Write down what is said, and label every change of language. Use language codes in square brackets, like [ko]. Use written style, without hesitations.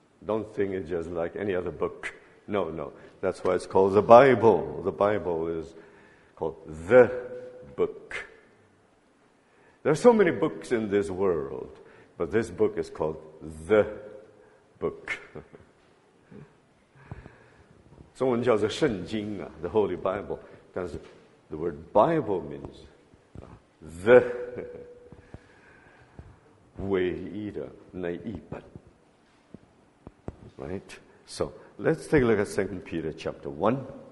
[en] Don't think it's just like any other book. No, no. That's why it's called the Bible. The Bible is called the book. There are so many books in this world, but this book is called the book. [zh] 中文叫做圣经啊, [en] the Holy Bible. That's the word Bible means the [zh] 唯一的那一本. [en] Right? So, let's take a look at 2 Peter chapter 1.